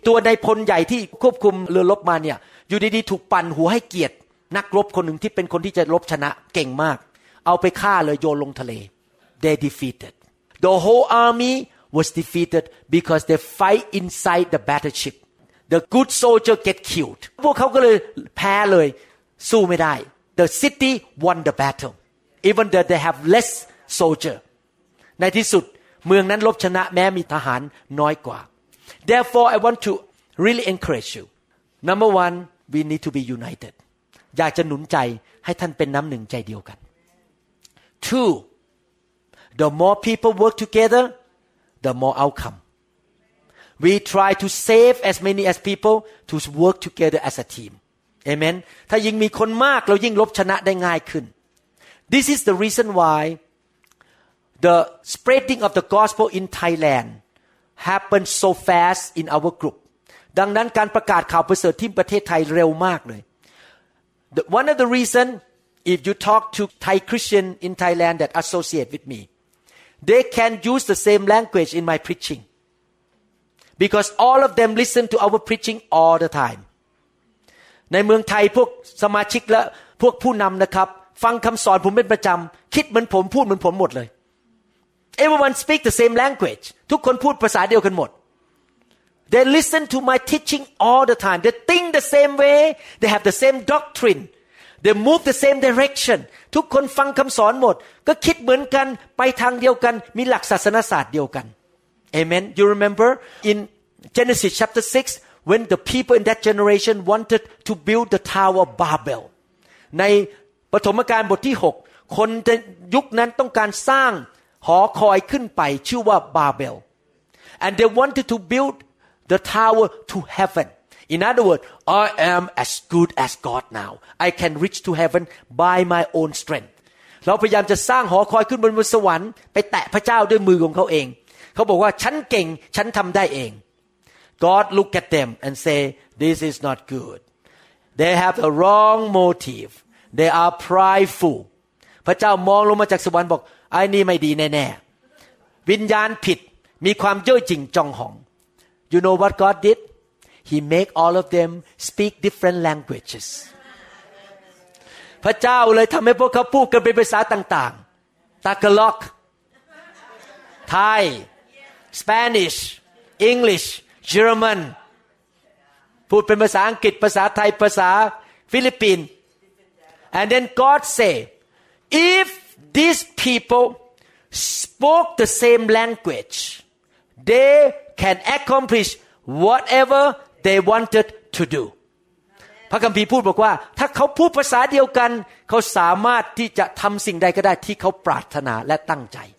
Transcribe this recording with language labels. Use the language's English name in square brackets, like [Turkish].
[Thai] ตัวนายพลใหญ่ที่ควบคุมเรือรบมาเนี่ยอยู่ดีๆถูกปั่นหัวให้เกียรตินักรบคนหนึ่งที่เป็นคนที่จะรบชนะเก่งมากเอาไปฆ่าเลยโยนลงทะเล [English] they defeated the whole army was defeated because they fight inside the battleship the good soldier get killed [Thai] พวกเขาก็เลยแพ้เลยสู้ไม่ได้ [English] the city won the battle even though they have less soldier [Thai] ในที่สุดเมืองนั้นรบชนะแม้มีทหารน้อยกว่า [English] therefore I want to really encourage you number one we need to be united [Thai] อยากจะหนุนใจให้ท่านเป็นน้ำหนึ่งใจเดียวกัน [English] Two, the more people work together, the more outcome. We try to save as many as people to work together as a team. Amen. [Thai] ถ้ายิ่งมีคนมากเรายิ่งลบชนะได้ง่ายขึ้น [English] This is the reason why the spreading of the gospel in Thailand happened so fast in our group. [Thai] ดังนั้นการประกาศข่าวประเสริฐที่ประเทศไทยเร็วมากเลย [English] One of the reason, if you talk to Thai Christian in Thailand that associate with me, they can use the same language in my preaching. Because all of them listen to our preaching all the time. [Thai] ในเมืองไทยพวกสมาชิกและพวกผู้นำนะครับฟังคำสอนผมเป็นประจำคิดเหมือนผมพูดเหมือนผมหมดเลย [English] Everyone speak the same language. [Thai] ทุกคนพูดภาษาเดียวกันหมด [English] They listen to my teaching all the time. They think the same way. They have the same doctrine. They move the same direction. [Thai] ทุกคนฟังคำสอนหมดก็คิดเหมือนกันไปทางเดียวกันมีหลักศาสนศาสตร์เดียวกัน [English] Amen. You remember in Genesis chapter 6 when the people in that generation wanted to build the Tower of Babel. [Thai] ในปฐมกาลบทที่6คนยุคนั้นต้องการสร้างหอคอยขึ้นไปชื่อว่าบาเบล [English] And they wanted to buildThe tower to heaven. In other words, I am as good as God now. I can reach to heaven by my own strength. [Thai] เราพยายามจะสร้างหอคอยขึ้นบนสวรรค์ไปแตะพระเจ้าด้วยมือของเขาเองเขาบอกว่าฉันเก่งฉันทำได้เอง [English] God look at them and say, this is not good. They have the wrong motive. They are prideful. [Thai] พระเจ้ามองลงมาจากสวรรค์บอกไอ้นี่ไม่ดีแน่ๆวิญญาณผิดมีความเย่อหยิ่งจองหอง [English] You know what God did? He made all of them speak different languages. [Thai] พระเจ้าเลยทำให้พวกเขาพูดกันเป็นภาษาต่างๆ Tagalog, [English] Thai, Spanish, English, German. [Thai] พูดเป็นภาษาอังกฤษภาษาไทยภาษาฟิลิปปินส์ [English] And then God said, if these people spoke the same language, they can accomplish whatever they wanted to do. [Thai] พระคัมภีร์พูดบอกว่าถ้าเขาพูดภาษาเดียวกันเขาสามารถที่จะทำสิ่งใดก็ได้ที่เขาปรารถนาและตั้งใจ